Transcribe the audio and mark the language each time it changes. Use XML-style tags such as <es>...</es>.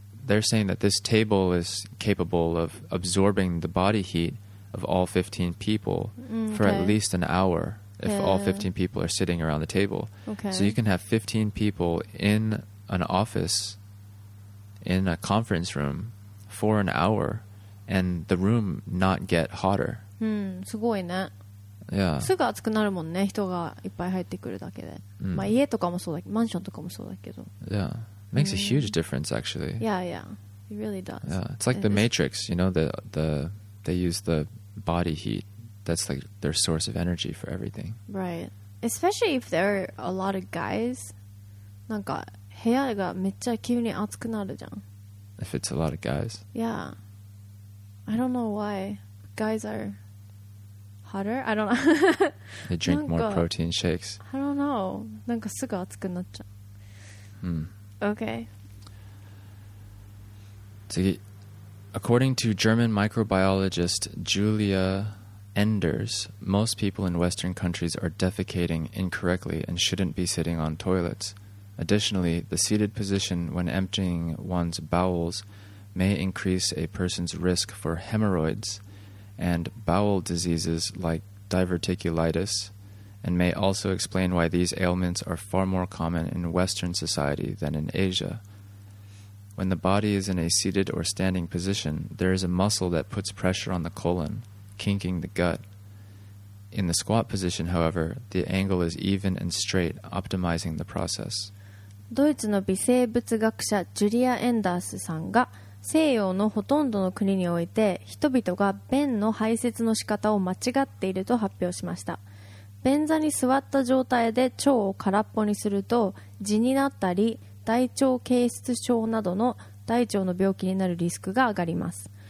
<en>they're saying that this table is capable of absorbing the body heat of all 15 people for at least an hour if all 15 people are sitting around the table. Okay. So you can have 15 people in an office, in a conference room for an hour and the room not get hotter.</en> <ja>すごいね。</ja> <en>Yeah.</en> <ja>すぐ暑くなるもんね、人がいっぱい入ってくるだけで。 Mm. まあ家とかもそうだけど、マンションとかもそうだけど。</ja> <en>Yeah. Makes a huge difference, actually. Yeah, yeah. It really does. Yeah. It's like the Matrix, you know, they use the body heat. That's like their source of energy for everything. Right. Especially if there are a lot of guys.</en> <ja>なんか部屋がめっちゃ急に暑くなるじゃん。</ja> <en>If it's a lot of guys. Yeah. I don't know why guys are... Hotter? I don't know. They drink more protein shakes. I don't know.</en> <ja>なんかすぐ熱くなっちゃう。</ja> <en>Okay.</en> <ja>次。</ja> <en>According to German microbiologist Julia Enders, most people in Western countries are defecating incorrectly and shouldn't be sitting on toilets. Additionally, the seated position when emptying one's bowels may increase a person's risk for hemorrhoids. And bowel diseases like diverticulitis, and may also explain why these ailments are far more common in Western society than in Asia. When the body is in a seated or standing position, there is a muscle that puts pressure on the colon, kinking the gut. In the squat position, however, the angle is even and straight, optimizing the process.</en> <ja>ドイツの微生物学者ジュリア・エンダースさんが西洋のほとんどの国において人々が便の排泄の仕方を間違っていると発表しました。便座に座った状態で腸を空っぽにすると痔になったり大腸憩室症などの大腸の病気になるリスクが上がります。</ja>